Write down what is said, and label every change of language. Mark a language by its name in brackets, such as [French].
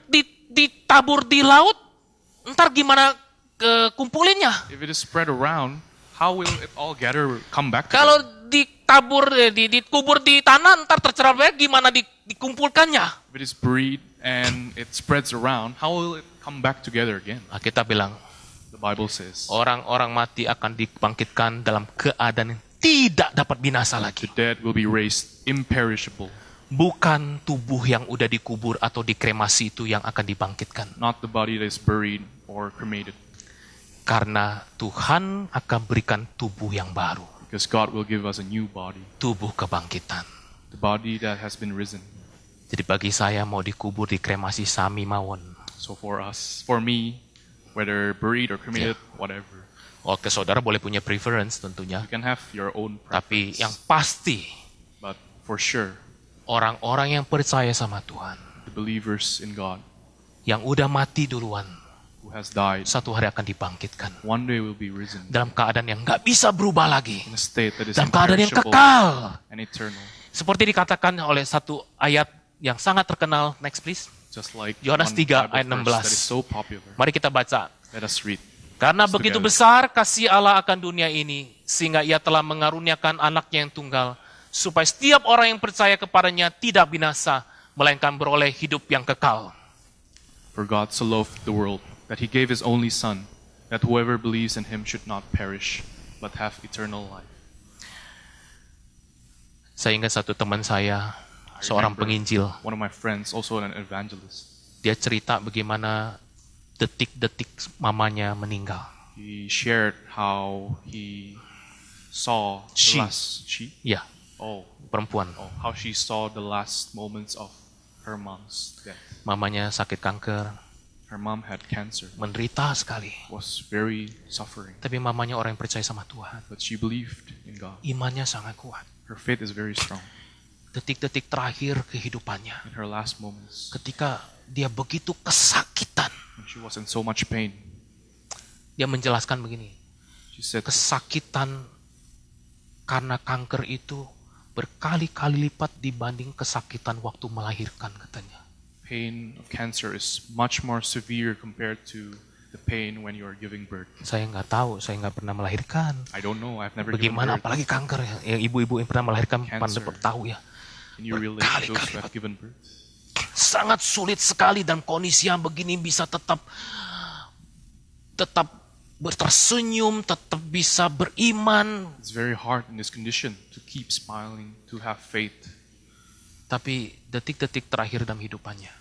[Indonesian] Kalau ditabur di laut, ntar gimana kumpulinnya? [English] If it is spread around, how will it all gather come back? [Indonesian] Kalau ditabur dikubur di tanah ntar tercerai-berai gimana dikumpulkannya? [English] If it is buried and it spreads around, how will it come back together again? [Indonesian] Kita bilang, [English] the Bible says, [Indonesian] orang-orang mati akan dibangkitkan dalam keadaan yang tidak dapat binasa lagi. [English] The dead will be raised imperishable. [Indonesian] Bukan tubuh yang udah dikubur atau dikremasi itu yang akan dibangkitkan. [English] Not the body that is buried or cremated. [Indonesian] Karena Tuhan akan berikan tubuh yang baru. [English] Because God will give us a new body. [Indonesian] Tubuh kebangkitan. [English] The body that has been risen. [Indonesian] Jadi bagi saya mau dikubur dikremasi sami mawon. [English] So for us, for me, whether buried or cremated, yeah, whatever. [Indonesian] Oke, saudara boleh punya preference tentunya. [English] You can have your own preference. [Indonesian] Tapi yang pasti, [English] but for sure, [Indonesian] orang-orang yang percaya sama Tuhan, [English] the believers in God, [Indonesian] yang udah mati duluan, [English] who has died, [Indonesian] satu hari akan dibangkitkan. [English] One day will be risen. [Indonesian] Dalam keadaan yang enggak bisa berubah lagi. [English] In a state that is [Indonesian] dalam keadaan yang kekal. [English] And eternal. [Indonesian] Seperti dikatakan oleh satu ayat yang sangat terkenal. [English] Next please. Just like [Indonesian] Yohanes 3 ayat 16. [English] That is so popular. [Indonesian] Mari kita baca. [English] Let us read. [Indonesian] Karena begitu together besar kasih Allah akan dunia ini, sehingga Ia telah mengaruniakan anaknya yang tunggal, supaya setiap orang yang percaya kepadanya tidak binasa, melainkan beroleh hidup yang kekal. [English] For God so loved the world that He gave His only Son, that whoever believes in Him should not perish, but have eternal life. [Indonesian] Saya ingat satu teman saya, seorang penginjil. [English] One of my friends, also an evangelist. [Indonesian] Dia cerita bagaimana detik-detik mamanya meninggal. [English] He shared how he saw the last... She? Yeah. Oh. [Indonesian] Perempuan. [English] Oh, how she saw the last moments of her mom's death. [Indonesian] Mamanya sakit kanker. [English] Her mom had cancer. [Indonesian] Menderita sekali. [English] Was very suffering. [Indonesian] Tapi mamanya orang yang percaya sama Tuhan. [English] But she believed in God. [Indonesian] Imannya sangat kuat. [English] Her faith is very strong. [Indonesian] Detik-detik terakhir kehidupannya. [English] In her last moments. [Indonesian] Ketika dia begitu kesakitan. [English] When she was in so much pain. [Indonesian] Dia menjelaskan begini. [English] She said, [Indonesian] kesakitan karena kanker itu berkali-kali lipat dibanding kesakitan waktu melahirkan, katanya. [English] Pain of cancer is much more severe compared to the pain when you are giving birth. [Indonesian] Saya enggak tahu, saya enggak pernah melahirkan. [English] I don't know, I've never [Indonesian] given birth. Apalagi kanker yang ibu-ibu yang pernah melahirkan pandai tahu ya. [English] Can you relate to those who have given birth? [Indonesian] Sangat sulit sekali dan kondisi yang begini bisa tetap tersenyum, tetap bisa beriman. [English] It's very hard in this condition to keep smiling, to have faith. [Indonesian] Tapi detik-detik terakhir dalam hidupannya,